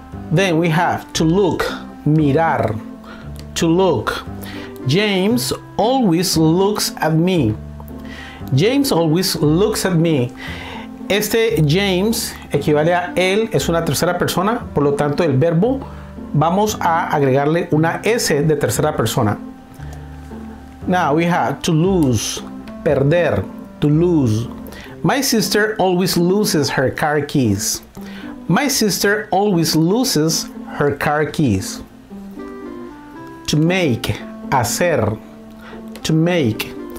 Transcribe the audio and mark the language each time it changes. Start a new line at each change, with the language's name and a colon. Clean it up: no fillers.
English: Then we have to look, mirar, to look. James always looks at me. James always looks at me.
Spanish: Este James equivale a él, es una tercera persona, por lo tanto el verbo vamos a agregarle una S de tercera persona.
English: Now we have to lose, perder, to lose. My sister always loses her car keys. My sister always loses her car keys. To make, hacer, to make.